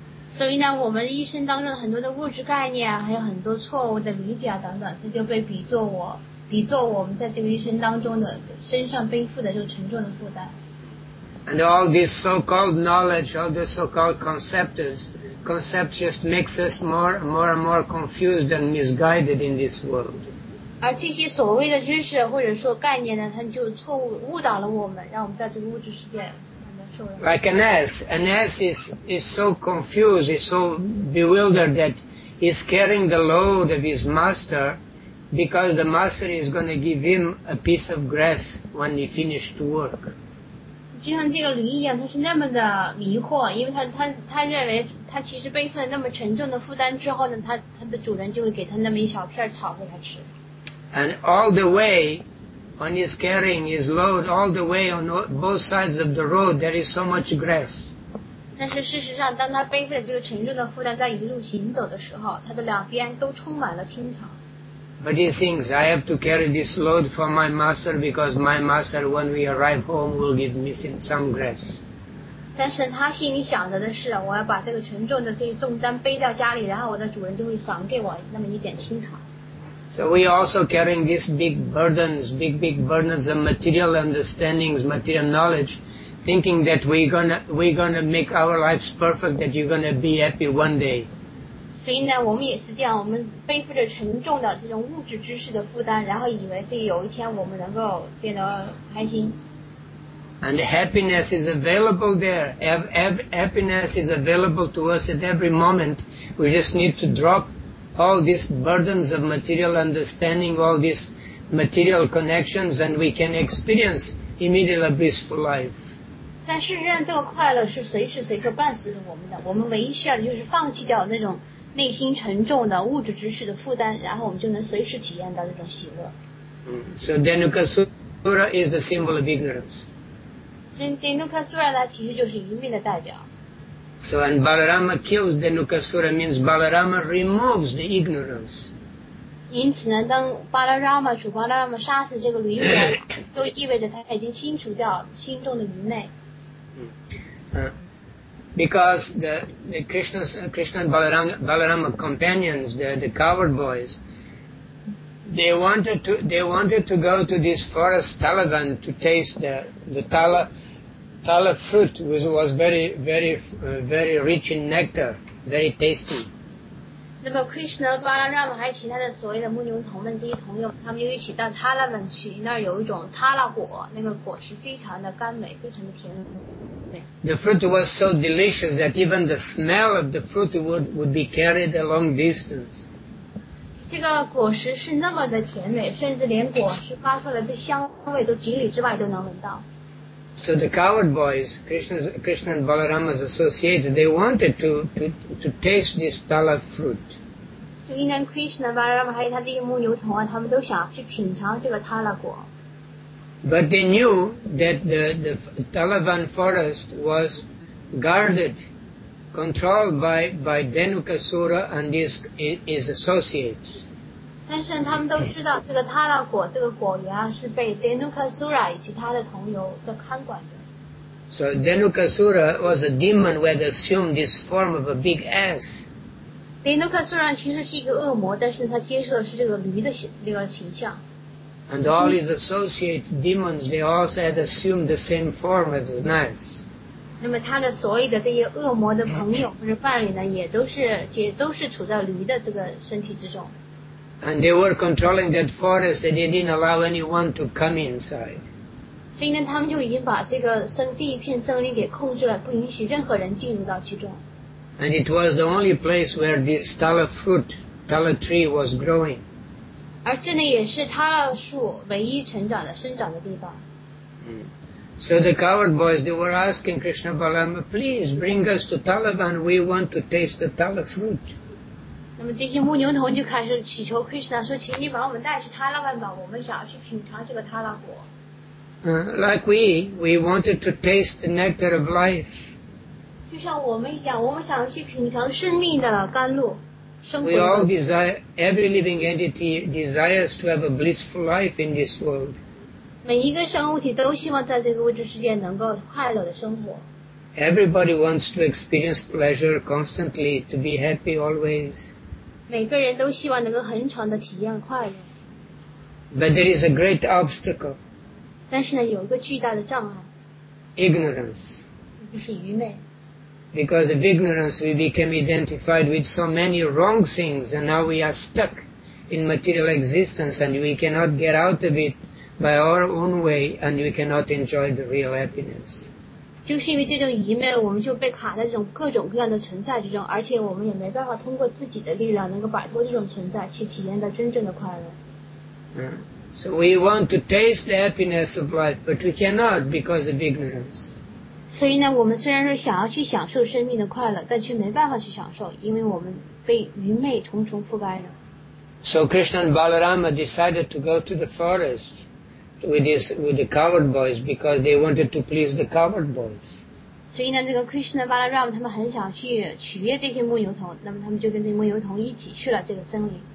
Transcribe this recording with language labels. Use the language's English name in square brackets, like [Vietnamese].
[Chinese] 所以呢，我们一生当中很多的物质概念，还有很多错误的理解等等，这就被比作我。比作我们在这个一生当中的身上背负的这种沉重的负担。 [English] And all this so-called knowledge, all these so-called concepts just makes us more and more confused and misguided in this world. [Chinese] 而这些所谓的知识或者说概念呢，它就错误误导了我们，让我们在这个物质世界。 [English] Like an ass is so confused, is so bewildered that he's carrying the load of his master because the master is going to give him a piece of grass when he finished to work. [Chinese] 就像这个驴一样，他是那么的迷惑，因为他认为他其实背负了那么沉重的负担之后呢，他的主人就会给他那么一小片草给他吃。 [English] And all the way. When he's carrying his load all the way on both sides of the road, there is so much grass. [Chinese] 但是事实上，当他背负着这个沉重的负担在一路行走的时候，他的两边都充满了青草。 [English] But he thinks I have to carry this load for my master because my master, when we arrive home, will give me some grass. [Chinese] 但是他心里想着的是，我要把这个沉重的这些重担背到家里，然后我的主人就会赏给我那么一点青草。 [English] So we also carrying these big burdens of material understandings, material knowledge, thinking that we're gonna make our lives perfect, that you're gonna be happy one day. [Chinese] 所以呢，我们也是这样，我们背负着沉重的这种物质知识的负担，然后以为这有一天我们能够变得开心。 [English] And happiness is available there. Happiness is available to us at every moment. We just need to drop. All these burdens of material understanding, all these material connections, and we can experience immediately a blissful life. [Chinese] 但事实上，这个快乐是随时随刻伴随着我们的。我们唯一需要的就是放弃掉那种内心沉重的物质知识的负担，然后我们就能随时体验到这种喜乐。 [English] So Dhenukasura is the symbol of ignorance. [Chinese] 所以 Dhenukasura 呢，其实就是愚昧的代表。 [English] So, and Balarama kills Dhenukasura means Balarama removes the ignorance. [Chinese] 因此呢，当巴拉拉玛主巴拉拉玛杀死这个驴人，都意味着他已经清除掉心中的愚昧。 [English] Because the Krishna and Balarama companions, the coward boys, they wanted to go to this forest Talavan to taste the Tala fruit was very, very, very rich in nectar, very tasty. [Chinese] 那么 Krishna、Balarama 还有其他的所谓的牧牛童们这些朋友，他们就一起到 Talavan 去，那儿有一种 Tala 果，那个果实非常的甘美，非常的甜。 [English] The fruit was so delicious that even the smell of the fruit would be carried a long distance. [Chinese] 这个果实是那么的甜美，甚至连果实发出来的香味都几里之外都能闻到。 [English] So the coward boys, Krishna and Balarama's associates, they wanted to taste this tala fruit. So even [Chinese] Krishna, Balarama, 还有他这些牧牛童啊，他们都想去品尝这个 tala 果。 [English] But they knew that the Talavan forest was guarded, controlled by Dhenukasura and his associates. [Chinese] 但是他们都知道这个塔拉果这个果园是被 Dhenukasura 以及他的同游所看管的。 [English] So Dhenukasura was a demon who had assumed this form of a big ass. [Chinese] Dhenukasura 其实是一个恶魔，但是他接受的是这个驴的这个形象。 [English] And all his associates, demons, they also had assumed the same form as an ass. [Chinese] 那么他的所有的这些恶魔的朋友或者伴侣呢，也都是处在驴的这个身体之中。 [English] And they were controlling that forest and they didn't allow anyone to come inside. [Chinese] 所以呢，他们就已经把这个这一片森林给控制了，不允许任何人进入到其中。 [English] And it was the only place where the tala fruit, tala tree was growing. [Chinese] 而这里也是tala树唯一生长的地方。 [English] So the coward boys, they were asking Krishna Balarama, please bring us to Talavan, we want to taste the tala fruit. [Chinese] 那么这些牧牛童就开始祈求 Krishna 说，请你把我们带去塔拉万吧，我们想要去品尝这个塔拉果。 [English] Like we wanted to taste the nectar of life. [Chinese] 就像我们一样，我们想要去品尝生命的甘露，生活。 [English] We all desire, every living entity desires to have a blissful life in this world. [Chinese] 每一个生物体都希望在这个物质世界能够快乐的生活。 [English] Everybody wants to experience pleasure constantly, to be happy always. [Chinese] 每个人都希望能够恒常的体验快乐。 [English] But there is a great obstacle. [Chinese] 但是呢，有一个巨大的障碍。 [English] Ignorance. [Chinese] 就是愚昧。 [English] Because of ignorance, we became identified with so many wrong things, and now we are stuck in material existence, and we cannot get out of it by our own way, and we cannot enjoy the real happiness. [Chinese] 就是因为这种愚昧，我们就被卡在这种各种各样的存在之中，而且我们也没办法通过自己的力量能够摆脱这种存在，去体验到真正的快乐。 [English] So we want to taste the happiness of life, but we cannot because of ignorance. [Chinese] 所以呢，我们虽然是想要去享受生命的快乐，但却没办法去享受，因为我们被愚昧重重覆盖了。 [English] So Krishna and Balarama decided to go to the forest with the coward boys because they wanted to please the coward boys. [Chinese] 所以呢，这个 Krishna Balarama 他们很想去取悦这些牧牛童，那么他们就跟这些牧牛童一起去了这个森林。